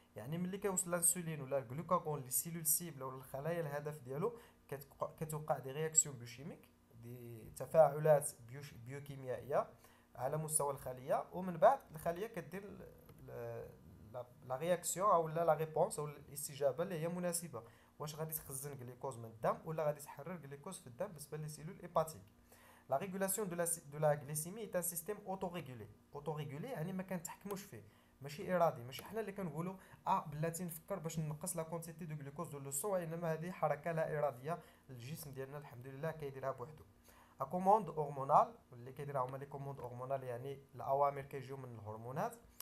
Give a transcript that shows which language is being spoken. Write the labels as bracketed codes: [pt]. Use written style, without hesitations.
[ar] يعني ملي كيوصل الانسولين ولا الجلوكاغون لي سيلول سيبل ولا الخلايا الهدف ديالو كتوقع دي رياكسيون بيوشيميك دي تفاعلات بيوكيميائيه على مستوى الخليه، ومن بعد الخليه كدير لا رياكسيون او لا ريبونس او الاستجابه اللي هي مناسبه. واش غادي تخزن جلوكوز من الدم ولا غادي تحرر جلوكوز في الدم بالنسبه لي سيلول ايباتيك. [fr] La régulation de la glycémie est un système autorégulé. [ar] Autorégulé, يعني ما كنتحكموش فيه. ماشي إرادي، ماشي حنا اللي كنقولوا أه بلاتي نفكر باش ننقص لا كونتيتي دو جلوكوز دو لو سون، وإنما هذه حركة لا إرادية الجسم ديالنا الحمد لله كيديرها بوحدو. أ كوموند هرمونال اللي كيديرها هما لي كوموند هرمونال، يعني الأوامر كيجيو من الهرمونات.